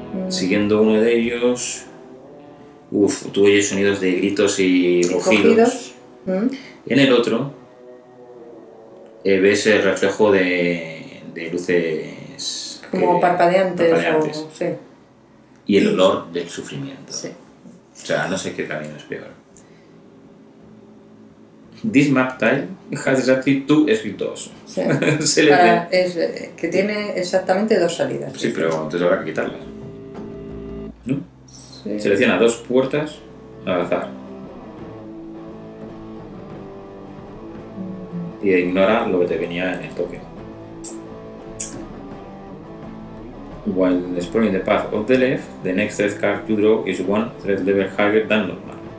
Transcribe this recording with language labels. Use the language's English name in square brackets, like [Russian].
[Spanish] Siguiendo uno de ellos. Uf, tú oyes sonidos de gritos y rugidos. En el otro ves el reflejo de luces. Como parpadeantes. O, sí. Y el olor del sufrimiento. Sí. O sea, no sé qué camino es peor. [English] This map tile has exactly two exits. [Spanish] Sí. Se para, es que tiene exactamente dos salidas. Sí, pero entonces habrá que quitarlas. ¿No? Sí. Selecciona dos puertas al azar. Y ignora lo que te venía en el toque. [English] While exploring the path of the left, the next threat card you draw is one threat level higher than normal.